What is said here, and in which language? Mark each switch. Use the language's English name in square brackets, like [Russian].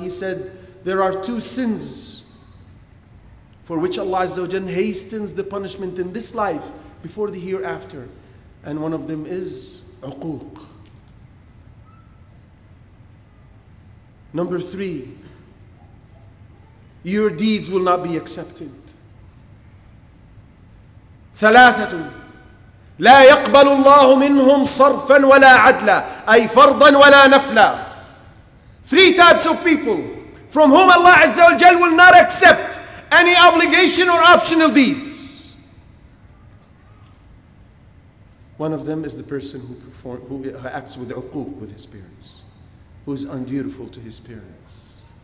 [English] He said, there are two sins for which Allah Azza wa Jalla hastens the punishment in this life before the hereafter, and one of them is uquq. Number three, your deeds will not be accepted. [Arabic] ثلاثة لا يقبل الله منهم صرفا ولا عدلا أي فرضا ولا نفلا. [English] Three types of people from whom Allah Azza wa Jal will not accept any obligation or optional deeds. One of them is the person who acts with uquq with his parents, who is undutiful to his parents.